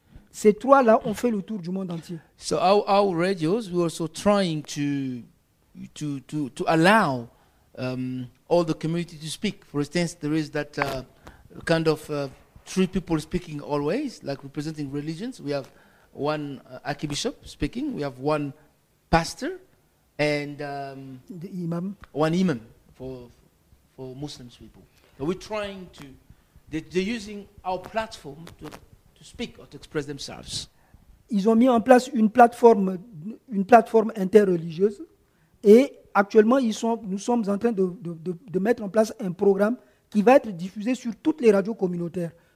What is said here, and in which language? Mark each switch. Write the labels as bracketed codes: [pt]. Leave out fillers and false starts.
[fr] Ces trois-là ont fait le tour du monde entier. [en] So our radios, we're also trying to allow all the community to speak. For instance, there is that kind of three people speaking always, like representing religions. We have one archbishop speaking, we have one pastor, and the imam. One imam for Muslims people. So we're trying to, they're using our platform to speak or to express themselves. [fr] Ils ont mis en place une plateforme interreligieuse, et actuellement nous sommes en train de mettre en place un programme qui va être diffusé sur toutes les radios communautaires.